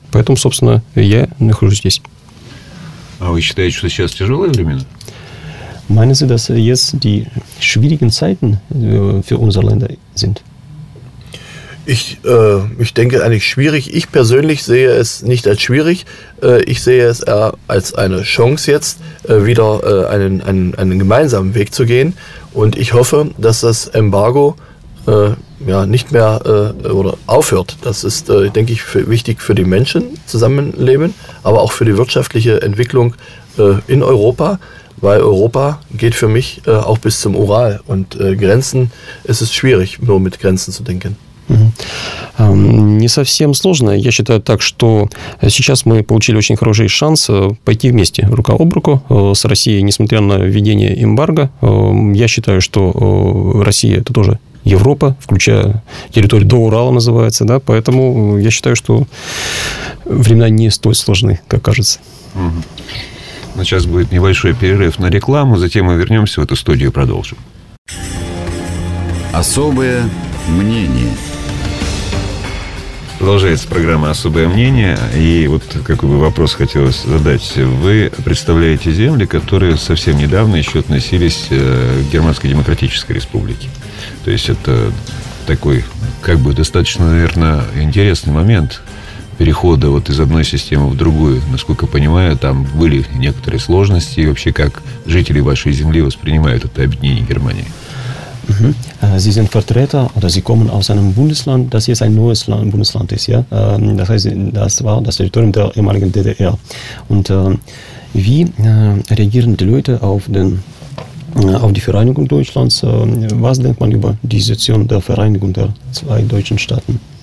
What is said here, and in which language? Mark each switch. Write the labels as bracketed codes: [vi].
[ru] Поэтому, собственно, я нахожусь здесь. А вы считаете, что сейчас тяжелые времена? [de] Meinen Sie, dass jetzt die schwierigen Zeiten für unsere Länder sind? Ich denke eigentlich schwierig. Ich persönlich sehe es nicht als schwierig. Ich sehe es eher als eine Chance jetzt, wieder einen gemeinsamen Weg zu gehen. Und ich hoffe, dass das Embargo ja nicht mehr oder aufhört. Das ist, denke ich, wichtig für die Menschen zusammenleben, aber auch für die wirtschaftliche Entwicklung in Europa. Weil Europa geht für mich auch bis zum Ural. Und Grenzen, es ist schwierig, nur mit Grenzen zu denken. [ru] Не совсем сложно. Я считаю так, что сейчас мы получили очень хороший шанс пойти вместе рука об руку с Россией, несмотря на введение эмбарго. Я считаю, что Россия – это тоже Европа, включая территорию до Урала называется. Да? Поэтому я считаю, что времена не столь сложны, как кажется. Сейчас будет небольшой перерыв на рекламу, затем мы вернемся в эту студию и продолжим. Особое мнение. Продолжается программа «Особое мнение», и вот какой бы вопрос хотелось задать. Вы представляете земли, которые совсем недавно еще относились к Германской Демократической Республике. То есть это такой, как бы, достаточно, наверное, интересный момент перехода вот из одной системы в другую. Насколько понимаю, там были некоторые сложности, и вообще как жители вашей земли воспринимают это объединение Германии. [de] Sie sind Vertreter oder Sie kommen aus einem Bundesland, das jetzt ein neues Land, Bundesland ist. Ja? Das heißt, das war das Territorium der ehemaligen DDR. Und wie reagieren die Leute auf die Vereinigung Deutschlands? Was denkt man über die Situation der Vereinigung der zwei deutschen Staaten?